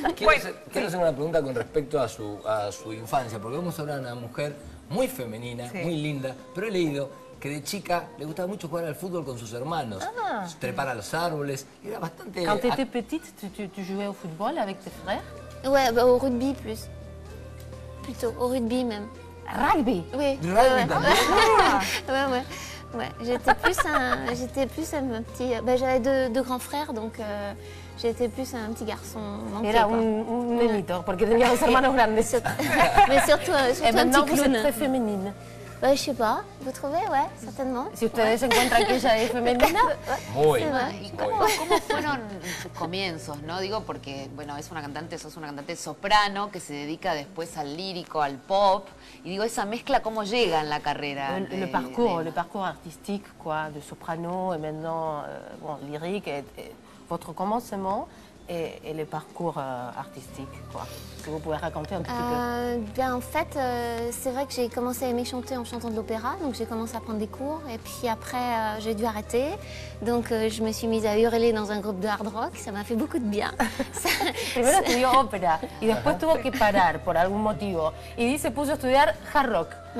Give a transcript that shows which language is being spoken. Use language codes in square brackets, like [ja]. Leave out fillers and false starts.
[es] Quiero hacer una pregunta con respecto a su infancia, porque vamos a hablar de una mujer muy femenina, muy linda, pero he leído que de chica le gustaba mucho jugar al fútbol con sus hermanos, trepar a los árboles, era bastante... [fr] Quand tu étais petite, tu jouais au football avec tes frères? Ouais, bah, au rugby plus. Plutôt, au rugby même. Rugby? Oui. [es] Rugby también? [fr] Ouais, ouais. J'étais plus un petit... Bah, j'avais deux grands frères, donc j'étais plus un petit garçon manqué. [es] Era un nenito, porque tenía dos hermanos grandes. [fr] Mais surtout un petit clown. Et maintenant, vous êtes très féminine. Bah, je sais pas, vous trouvez, ouais, certainement. [es] Si ustedes encuentran que ella es femenina. Muy. ¿Cómo fueron sus comienzos, no? Digo, porque, bueno, es una cantante, sos una cantante soprano que se dedica después al lírico, al pop. Y digo, esa mezcla, ¿cómo llega en la carrera? [fr] Le parcours artistique, quoi, de soprano, et maintenant, bon, lyrique, votre commencement. Et le parcours artistique, quoi. Est-ce que vous pouvez raconter un petit peu? Bien, en fait, c'est vrai que j'ai commencé à aimer chanter en chantant de l'opéra, donc j'ai commencé à prendre des cours, et puis après, j'ai dû arrêter. Donc, je me suis mise à hurler dans un groupe de hard rock, ça m'a fait beaucoup de bien. [es] Primero estudió ópera, y después tuvo que parar por algún motivo, y se puso a estudiar hard rock.